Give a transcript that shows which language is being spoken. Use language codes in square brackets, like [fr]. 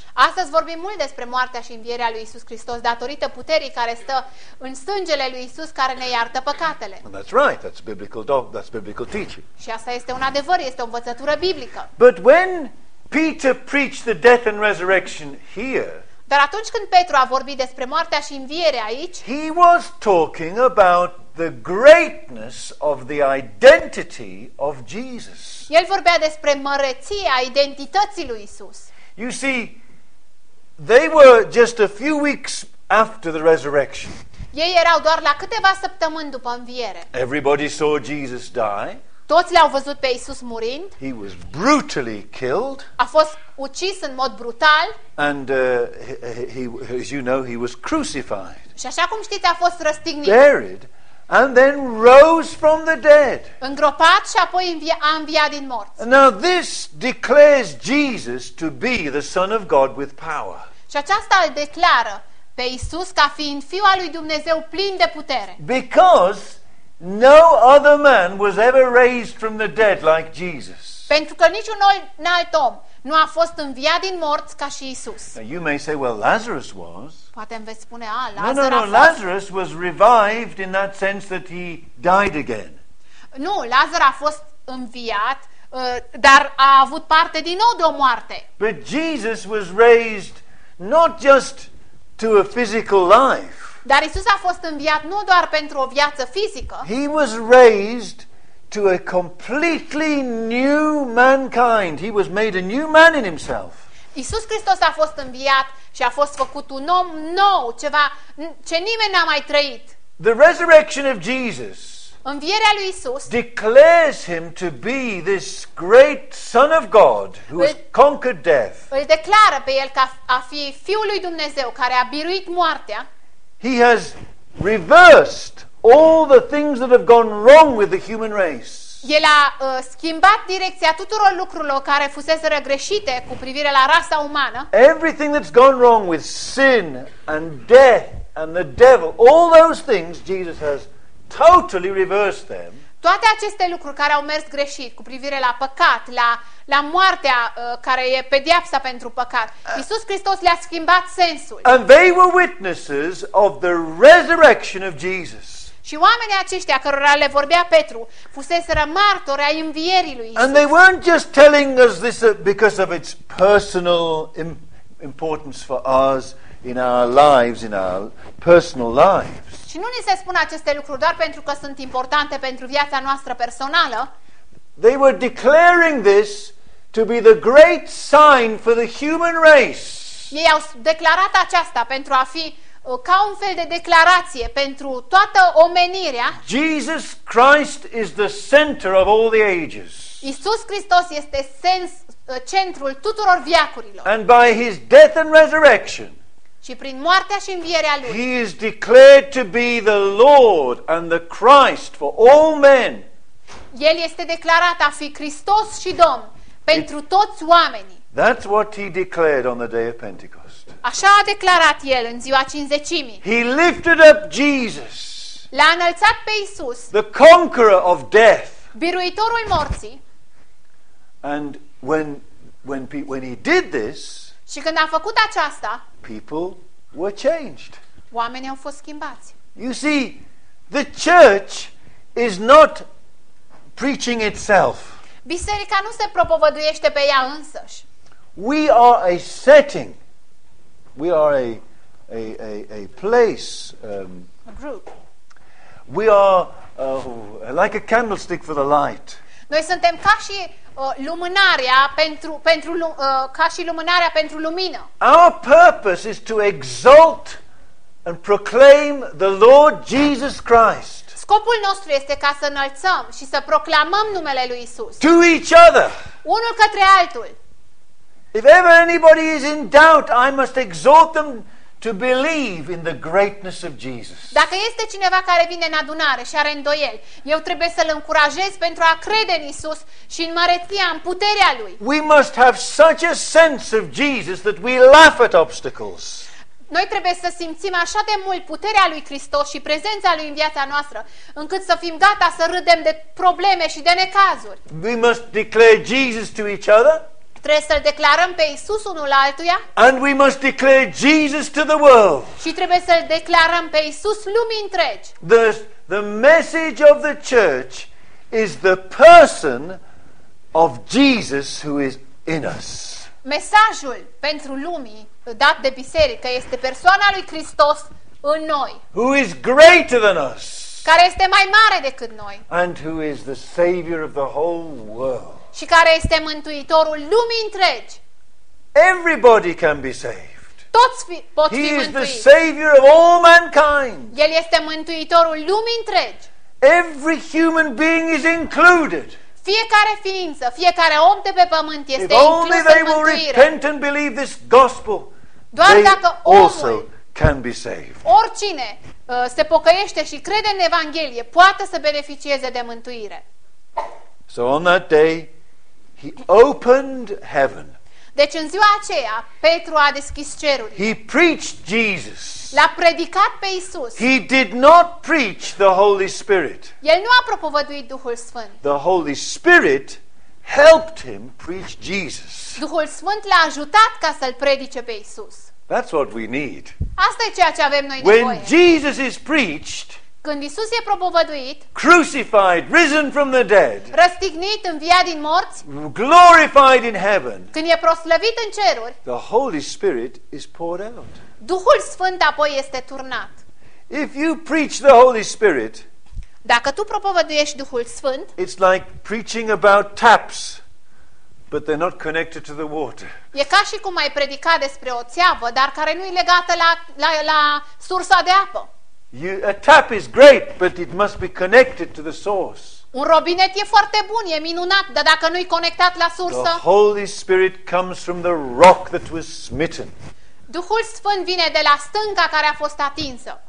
[ro] Astăzi vorbim mult despre moartea și învierea lui Iisus Hristos datorită puterii care stă în sângele lui Iisus care ne iartă păcatele. [en] And that's right. That's biblical doctrine. That's biblical teaching. [ro] Și asta este un adevăr, este o învățătură biblică. [en] But when Peter preached the death and resurrection here, [ro] dar atunci când Petru a vorbit despre moartea și învierea aici, [en] he was talking about the greatness of the identity of Jesus. [ro] El vorbea despre măreția identității lui Iisus. [en] You see, they were just a few weeks after the resurrection. [ro] Ei erau doar la câteva săptămâni după înviere. [en] Everybody saw Jesus die. [ro] Toți l-au văzut pe Iisus murind. [en] He was brutally killed. [ro] A fost ucis în mod brutal. [en] And he, as you know, he was crucified. [ro] Și așa cum știți, a fost răstignit. [en] Buried, and then rose from the dead. [ro] Îngropat și apoi a înviat din morți. [en] Now this declares Jesus to be the Son of God with power. [ro] Și aceasta îl declară pe Iisus ca fiind Fiul lui Dumnezeu plin de putere. [en] Because no other man was ever raised from the dead like Jesus. [ro] Pentru că niciun alt om nu a fost înviat din morți ca și Iisus. [en] Now you may say, well, Lazarus was. [ro] Poate îmi veți spune, a, Lazar no, a fost. [en] Lazarus was revived in that sense that he died again. [ro] Nu, Lazar a fost înviat, dar a avut parte din nou de o moarte. [en] But Jesus was raised not just to a physical life. [ro] Dar Iisus a fost înviat nu doar pentru o viață fizică. [en] He was raised to a completely new mankind. He was made a new man in himself. [ro] Iisus Hristos a fost înviat și a fost făcut un om nou, ceva ce nimeni n-a mai trăit. [en] The resurrection of Jesus [ro] Învierea lui Isus [en] declares him to be this great Son of God who has conquered death. [ro] Îl declară pe el ca a fi Fiul lui Dumnezeu care a biruit moartea. [en] He has reversed all the things that have gone wrong with the human race. [ro] El a schimbat direcția tuturor lucrurilor care fuseseră greșite cu privire la rasa umană. [en] Everything that's gone wrong with sin and death and the devil, all those things Jesus has totally reversed them. [ro] Toate aceste lucruri care au mers greșit cu privire la păcat, la moartea care e pedeapsa pentru păcat, Iisus Hristos le-a schimbat sensul. [en] And they were witnesses of the resurrection of Jesus. [ro] Și oamenii aceștia cărora le vorbea Petru fuseseră martori ai învierii lui Iisus. [en] And they weren't just telling us this because of its personal importance for us in our lives, in our personal lives. [ro] Și nu ni se spun aceste lucruri doar pentru că sunt importante pentru viața noastră personală. [en] They were declaring this to be the great sign for the human race. [ro] Ei au declarat aceasta pentru a fi ca un fel de declarație pentru toată omenirea. [en] Jesus Christ is the center of all the ages. [ro] Iisus Hristos este centrul tuturor veacurilor. [en] And by his death and resurrection, [ro] și prin moartea și învierea lui, [en] he is declared to be the Lord and the Christ for all men. [ro] El este declarat a fi Hristos și Domn pentru toți oamenii. [en] That's what he declared on the day of Pentecost. [ro] Așa a declarat el în ziua cincizecimii. [en] He lifted up Jesus. [ro] L-a înălțat pe Iisus. [en] The conqueror of death. [ro] Biruitorul morții. [en] And when he did this, [ro] și când a făcut aceasta, [en] people were changed. [ro] Oamenii au fost schimbați. [en] You see, the church is not preaching itself. [ro] Biserica nu se propovăduiește pe ea însăși. [en] We are a setting. We are a place. A group. We are like a candlestick for the light. [ro] Noi suntem ca și lumânarea ca și lumânarea pentru lumină. [en] Our purpose is to exalt and proclaim the Lord Jesus Christ. [ro] Scopul nostru este ca să înălțăm și să proclamăm numele lui Isus. [en] To each other. [ro] Unul către altul. [en] If ever anybody is in doubt, I must exhort them to believe in the greatness of Jesus. [ro] Dacă este cineva care vine în adunare și are îndoieli, eu trebuie să-l încurajez pentru a crede în Isus și în măreția, în puterea lui. [en] We must have such a sense of Jesus that we laugh at obstacles. [ro] Noi trebuie să simțim așa de mult puterea lui Hristos și prezența lui în viața noastră, încât să fim gata să râdem de probleme și de necazuri. [en] We must declare Jesus to each other. [ro] Trebuie să-l declarăm pe Iisus unul altuia. [en] And we must declare Jesus to the world. [ro] Și trebuie să-l declarăm pe Iisus lumii întregi. [en] The message of the church is the person of Jesus who is in us. [ro] Mesajul pentru lumii dat de biserică este persoana lui Hristos în noi. [en] Who is greater than us. [ro] Care este mai mare decât noi. [en] And who is the savior of the whole world. [ro] Și care este mântuitorul lumii întregi. [en] Everybody can be saved. [ro] Toți pot fi mântuiți. [en] He is the savior of all mankind. [ro] El este mântuitorul lumii întregi. [en] Every human being is included. [ro] Fiecare ființă, fiecare om de pe pământ este inclus. [en] If only they will repent and believe this gospel. [ro] Doar [en] they [ro] dacă omul, [en] also can be saved. [ro] Oricine se pocăiește și crede în Evanghelie poate să beneficieze de mântuire. [en] So on that day he opened heaven. [ro] Deci în ziua aceea Petru a deschis cerurile. [en] He preached Jesus. [ro] L-a predicat pe Isus. [en] He did not preach the Holy Spirit. [ro] El nu a propovăduit Duhul Sfânt. [en] The Holy Spirit helped him preach Jesus. [ro] Duhul Sfânt l-a ajutat ca să-l predice pe Isus. [en] That's what we need. [ro] Asta e ceea ce avem noi nevoie. [en] When Jesus is preached, [ro] când Iisus e propovăduit, [en] crucified, risen from the dead, [ro] răstignit, înviat din morți, [en] glorified in heaven, [ro] când e proslăvit în ceruri, [en] the Holy Spirit is poured out. [ro] Duhul Sfânt apoi este turnat. [en] If you preach the Holy Spirit, [ro] dacă tu propovăduiești Duhul Sfânt, [en] it's like preaching about taps, but they're not connected to the water. [ro] E ca și cum ai predica despre o țeavă, dar care nu e legată la sursa de apă. [en] A tap is great, but it must be connected to the source. [ro] Un robinet e foarte bun, e minunat, dar dacă nu e conectat la sursă. [en] The Holy Spirit comes from the rock that was smitten. [ro] Duhul Sfânt vine de la stânca care a fost atinsă.